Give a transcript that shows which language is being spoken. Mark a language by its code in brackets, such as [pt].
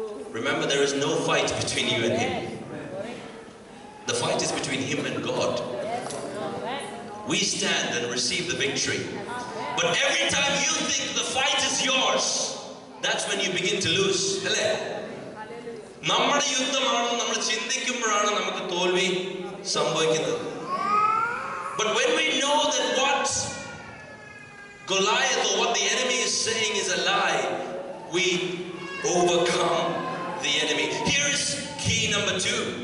[en] Remember, there is no fight between you and him. The fight is between him and God. We stand and receive the victory. But every time you think the fight is yours, that's when you begin to lose. Hello? [ml] നമ്മുടെ യുദ്ധമാണെന്ന് നമ്മൾ ചിന്തിക്കുമ്പോഴാണ് നമുക്ക് തോൽവി സംഭവിക്കുന്നത്. [en] But when we know that what Goliath or what the enemy is saying is a lie, we overcome the enemy. Here is key number two.